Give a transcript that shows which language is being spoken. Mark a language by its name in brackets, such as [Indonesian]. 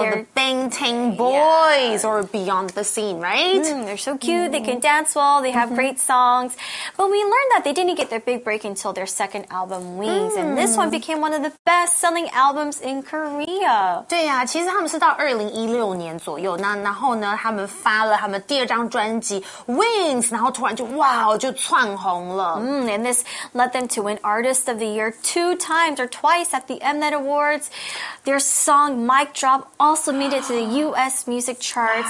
[English] They're the Bangtan boys, yeah. Or beyond the scene, right? They're so cute. They can dance well. They have great songs. But we learned that they didn't get their big break until their second album, Wings. And this one became one of the best-selling albums in Korea. [Chinese] 对呀，其实他们是到2016年左右，那然后呢，他们发了他们第二张专辑 Wings， 然后突然就哇，就窜红了。 [English] And this led them to win Artist of the Year twice at the Mnet Awards. Their song Mic Drop also made it to the US music charts.